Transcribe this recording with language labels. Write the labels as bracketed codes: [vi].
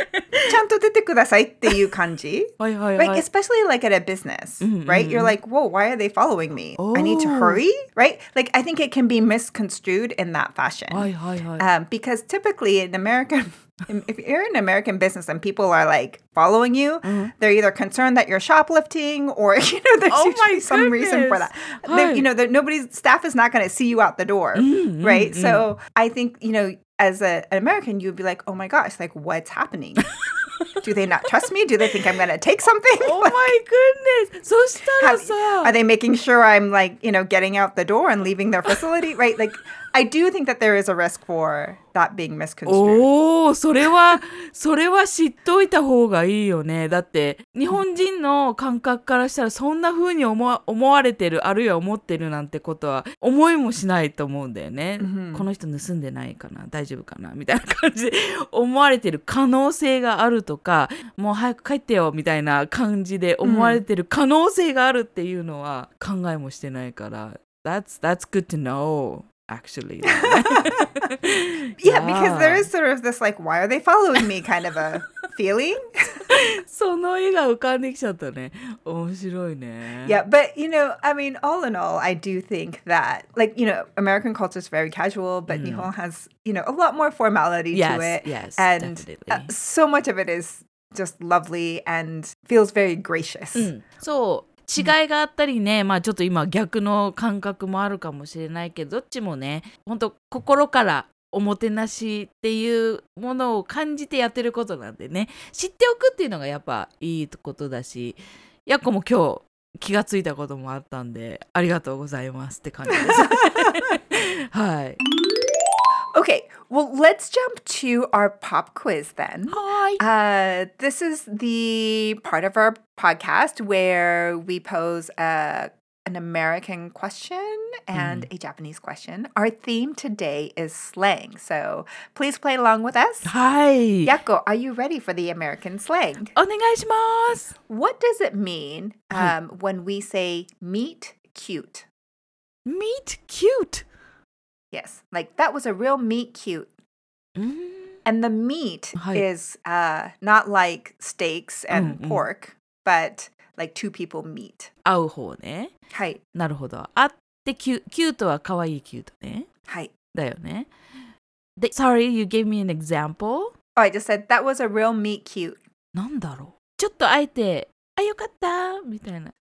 [ja] ちゃんと出てくださいっていう感じ。はいはいはい。 [en] Like, especially like at a business, right? You're like, whoa, why are they following me? I need to hurry, right? Like, I think it can be misconstrued in that fashion. [ja] はいはいはい。 [en] Because typically in American, if you're in an American business and people are like following you, they're either concerned that you're shoplifting or, you know, there's usually some reason for that. You know, nobody's staff is not going to see you out the door, right? So I think, you know, as an American, you'd be like, oh my gosh, like what's happening? Do they not trust me? Do they think I'm going to take something? Oh my goodness. So [ja] したらさ, [en] are they making sure I'm like, you know, getting out the door and leaving their facility, right? Like, I do think that there is a risk for that being misconstrued. [ja] Oh, それは知っといた方がいいよね。だって日本人の感覚からしたらそんな風に思われてる、あるいは思ってるなんてことは思いもしないと思うんだよね。この人盗んでないかな、大丈夫かなみたいな感じで思われてる可能性があるとか、もう早く帰ってよみたいな感じで思われてる可能性があるっていうのは考えもしてないから。 [en] That's good to know. Actually, yeah, because there is sort of this like, why are they following me kind of a feeling. [ja] その絵が浮かんできちゃったね。面白いね。 [en] Yeah, but you know, I mean, all in all, I do think that like, you know, American culture is very casual, but Nihon has, you know, a lot more formality yes, to it. Yes, definitely. And so much of it is just lovely and feels very gracious. So... [ja] 違いがあったりね、まあちょっと今逆の感覚もあるかもしれないけど、どっちもね、本当心からおもてなしっていうものを感じてやってることなんでね、知っておくっていうのがやっぱいいことだし、やっこも今日気がついたこともあったんで、ありがとうございますって感じです。はい。 [en] Okay, well, let's jump to our pop quiz then. Hi! This is the part of our podcast where we pose an American question and a Japanese question. Our theme today is slang, so please play along with us. Hi! Yakko, are you ready for the American slang? [ja] お願いします! [en] What does it mean when we say meet cute? Meet cute? Yes, like that was a real meet cute. And the meat is not like steaks and pork, but like two people meet. [ja] 会う方ね。はい。なるほど。会ってキュートは可愛いキュートね。はい。だよね。で、 [en] sorry, you gave me an example. Oh, I just said that was a real meet cute. [ja] なんだろう。ちょっと会えて、あ、よかったみたいな。